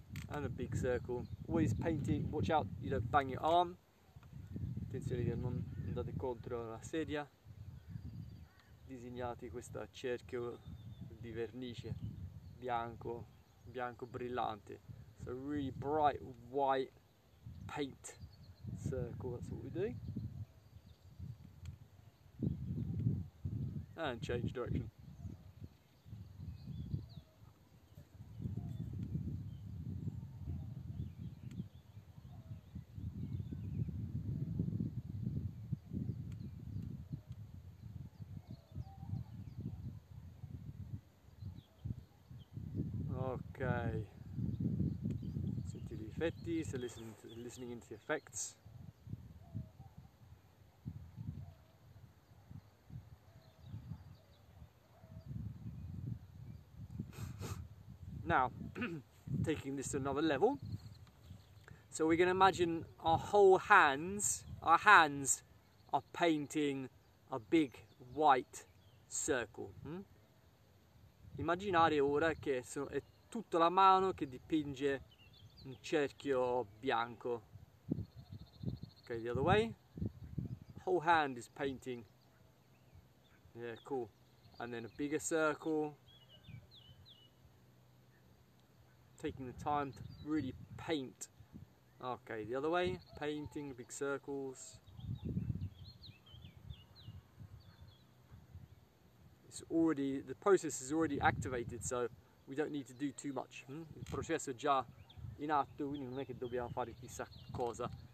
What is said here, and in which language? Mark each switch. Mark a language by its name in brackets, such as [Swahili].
[English] And a big circle. Always painting, watch out, you don't bang your arm. [Italian] Attenzione che non andate contro la sedia. Disegnate questo cerchio di vernice bianco, bianco brillante. [English] So really bright white paint circle, that's what we do. And change direction. Okay. So to the effetti, so listening into the effects. Now, taking this to another level. So we're going to imagine our hands are painting a big white circle. [Italian] Immaginare ora che è tutta la mano che dipinge un cerchio bianco. [English] Okay, the other way. Whole hand is painting. Yeah, cool. And then a bigger circle. Taking the time to really paint. Okay, the other way. Painting big circles. The process is already activated, so we don't need to do too much. [Italian] Il processo è già in atto, quindi non è che dobbiamo fare chissà cosa.